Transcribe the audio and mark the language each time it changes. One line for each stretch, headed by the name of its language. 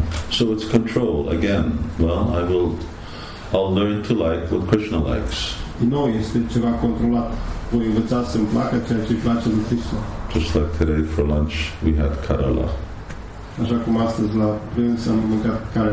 English: So it's control again. Well, I'll learn to like what Krishna likes.
Romanian: No, este ceva controlat. Voi învăța să-mi placă ceea ce place lui Krishna.
English: Just like today for lunch we had karala.
Romanian: Așa cum astăzi la prânz am mâncat karala.